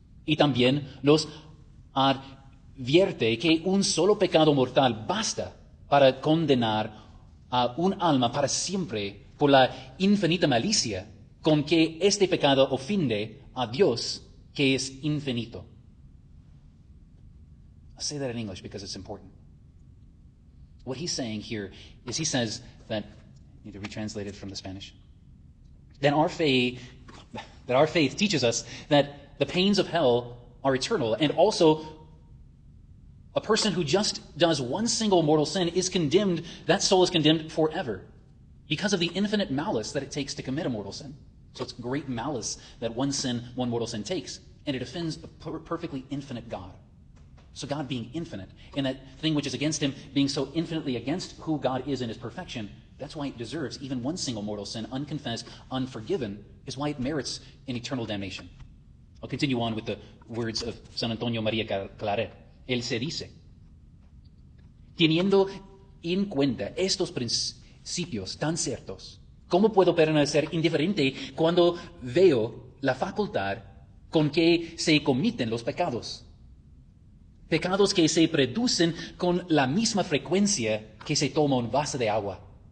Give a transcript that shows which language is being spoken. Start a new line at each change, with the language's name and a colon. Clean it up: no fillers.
Spanish: Y también nos advierte que un solo pecado mortal basta para condenar a un alma para siempre por la infinita malicia con que este pecado ofende a Dios, que es infinito.
English: I'll say that in English because it's important. What he's saying here is he says that, I need to retranslate it from the Spanish, that our faith teaches us that the pains of hell are eternal, and also a person who just does one single mortal sin is condemned, that soul is condemned forever because of the infinite malice that it takes to commit a mortal sin. So it's great malice that one sin, one mortal sin takes, and it offends a perfectly infinite God. So God being infinite, and that thing which is against him being so infinitely against who God is in his perfection, that's why it deserves even one single mortal sin, unconfessed, unforgiven, is why it merits an eternal damnation. I'll continue on with the words of San Antonio María Claret.
Spanish: Él se dice, teniendo en cuenta estos principios tan ciertos, ¿Cómo puedo permanecer indiferente cuando veo la facultad con que se cometen los pecados? Pecados que se producen con la misma frecuencia que se toma un vaso de agua.